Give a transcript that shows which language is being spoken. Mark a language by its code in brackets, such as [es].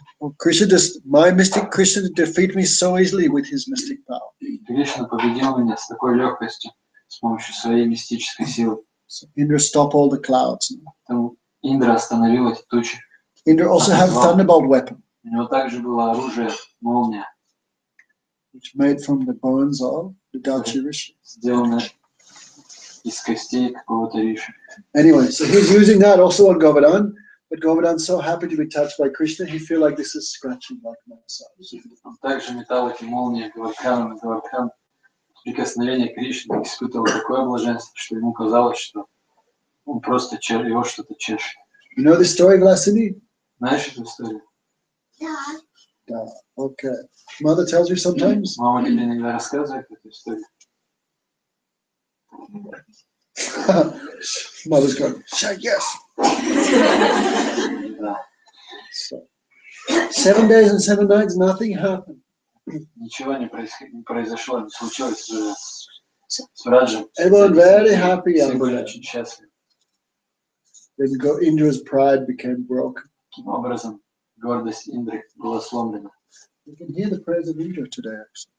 [en] Well, Krishna just, my mystic Krishna defeat me so easily with his mystic power. [ru] Кришна победил меня с такой легкостью, с помощью своей мистической силы. [en] So Indra stop all the clouds. [ru] Индра остановил эти тучи. [en] Indra also had thunderbolt weapon. [ru] У него также было оружие, молния. [en] Which made from the bones of the Dachi Rishi. [ru] Сделанное из костей какого-то риши. [en] Anyway, so he's using that also on Govardhan. But Govardhan so happy to be touched by Krishna, he feel like this is scratching like my side. [ru] Он также метал эти молнии Говардханом, и Говардхан прикосновение Кришны испытывал такое блаженство, что ему казалось, что он просто его что-то чешет. [en] You know this story, Vlasini? [ru] Знаешь эту историю? Да. Да. [en] Okay. Mother tells you sometimes. [ru] Мама тебе иногда рассказывает эту историю. [en] Mother's going, "Say yes." So, 7 days and 7 nights, nothing happened. [ru] Ничего не произошло, не случилось с Враджем. [en] Everyone very happy. [ru] Все были очень счастливы. [en] Then Indra's pride became broken. [ru] Таким образом, гордость Индры была сломлена. [en] We can hear the praise of Indra today, actually.